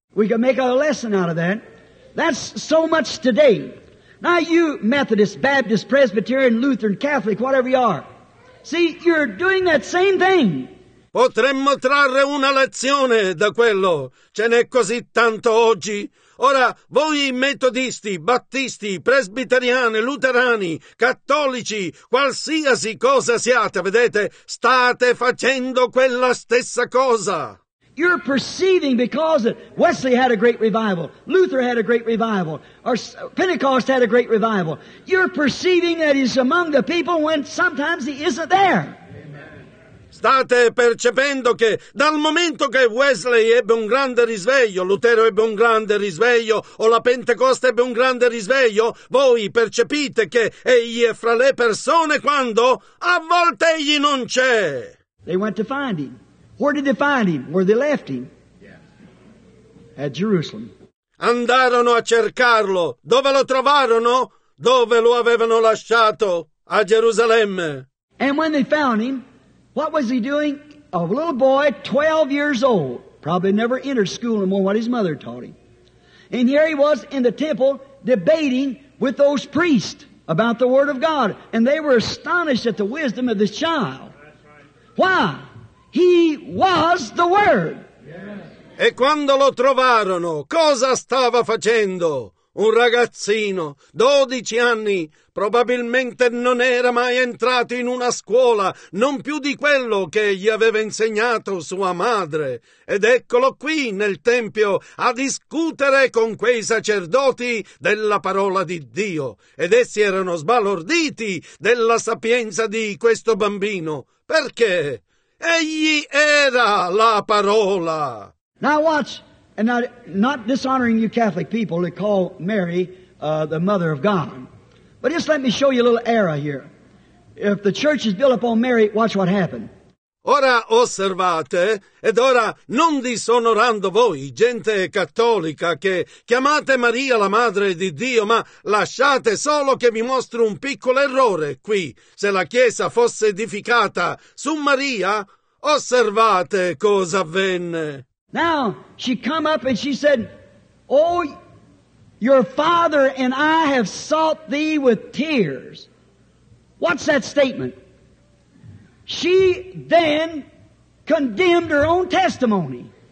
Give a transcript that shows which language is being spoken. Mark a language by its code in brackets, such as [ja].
[en] We can make a lesson out of that. That's so much today. Now you Methodist, Baptist, Presbyterian, Lutheran, Catholic, whatever you are. See, you're doing that same thing. [it] Potremmo trarre una lezione da quello. Ce n'è così tanto oggi. Ora, voi metodisti, battisti, presbiteriani, luterani, cattolici, qualsiasi cosa siate, vedete, state facendo quella stessa cosa. [en] You're perceiving because Wesley had a great revival, Luther had a great revival, or Pentecost had a great revival. You're perceiving that he's among the people when sometimes he isn't there. [it] State percependo che dal momento che Wesley ebbe un grande risveglio, Lutero ebbe un grande risveglio, o la Pentecoste ebbe un grande risveglio, voi percepite che egli è fra le persone quando a volte egli non c'è. [en] They went to find him. Where did they find him? Where they left him? Yeah. At Jerusalem. [it] Andarono a cercarlo. Dove lo trovarono? Dove lo avevano lasciato? A Gerusalemme. [en] And when they found him, what was he doing? A little boy, 12 years old, probably never entered school anymore, what his mother taught him. And here he was in the temple debating with those priests about the Word of God. And they were astonished at the wisdom of this child. That's right. Why? He was the Word. [it] E quando lo trovarono, cosa stava facendo? Un ragazzino, 12 anni, probabilmente non era mai entrato in una scuola, non più di quello che gli aveva insegnato sua madre. Ed eccolo qui nel Tempio a discutere con quei sacerdoti della parola di Dio. Ed essi erano sbalorditi della sapienza di questo bambino. Perché? Egli era la parola. [en] Now watch, and not dishonoring you Catholic people to call Mary the mother of God. But just let me show you a little error here. If the church is built upon Mary, watch what happened. [it] Ora osservate, ed ora non disonorando voi, gente cattolica, che chiamate Maria la madre di Dio, ma lasciate solo che vi mostro un piccolo errore qui. Se la Chiesa fosse edificata su Maria, osservate cosa avvenne. [en] Now, she come up and she said, Oh, your father and I have sought thee with tears. What's that statement? She then condemned her own testimony.